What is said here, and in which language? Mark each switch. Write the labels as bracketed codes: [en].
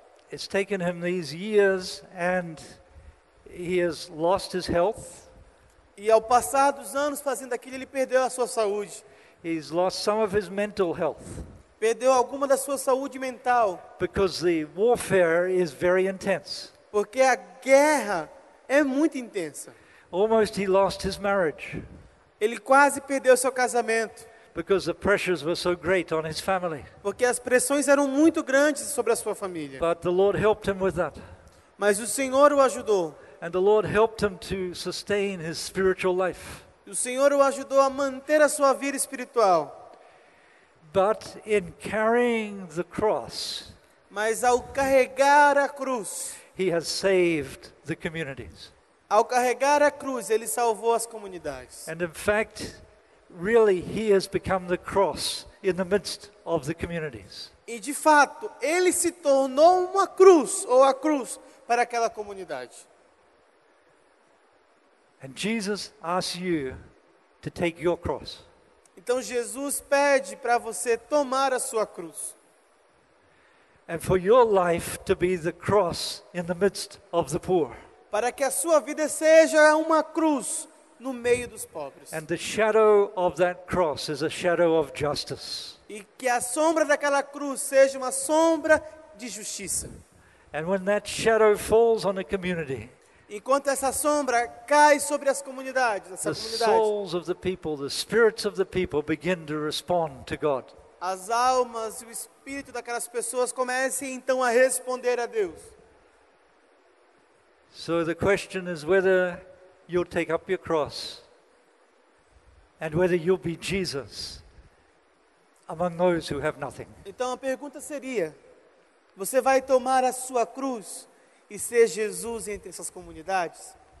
[en] It's taken him these years and he has lost his health. [pt] E ao passar dos anos fazendo aquilo, ele perdeu a sua saúde. [en] He's lost some of his mental health. [pt] Perdeu alguma da sua saúde mental. [en] Because the warfare is very intense. [pt] Porque a guerra é muito intensa. [en] Almost he lost his marriage. [pt] Ele quase perdeu seu casamento. [en] Because the pressures were so great on his family. [pt] Porque as pressões eram muito grandes sobre a sua família. [en] But the Lord helped him with that. [pt] Mas o Senhor o ajudou. [en] And the Lord helped him to sustain his spiritual life. [pt] O Senhor o ajudou a manter a sua vida espiritual. [en] But in carrying the cross, [pt] mas ao carregar a cruz, [en] he has saved the communities. [pt] Ao carregar a cruz, ele salvou as comunidades. [en] And in fact, really, he has become the cross in the midst of the communities. [pt] E de fato, ele se tornou uma cruz ou a cruz para aquela comunidade. [en] And Jesus asks you to take your cross. [pt] Então Jesus pede para você tomar a sua cruz. [en] And for your life to be the cross in the midst of the poor. [pt] Para que a sua vida seja uma cruz no meio dos pobres. [en] And the shadow of that cross is a shadow of justice. [pt] E que a sombra daquela cruz seja uma sombra de justiça. [en] And when that shadow falls on a community, [pt] enquanto essa sombra cai sobre as comunidades, essa comunidade, [en] souls of the people, the spirits of the people begin to respond to God. [pt] As almas e o espírito daquelas pessoas começam então a responder a Deus. [en] So the question is whether you'll take up your cross and whether you'll be Jesus among those who have nothing. [pt] Então a pergunta seria: você vai tomar a sua cruz e ser Jesus entre essas comunidades?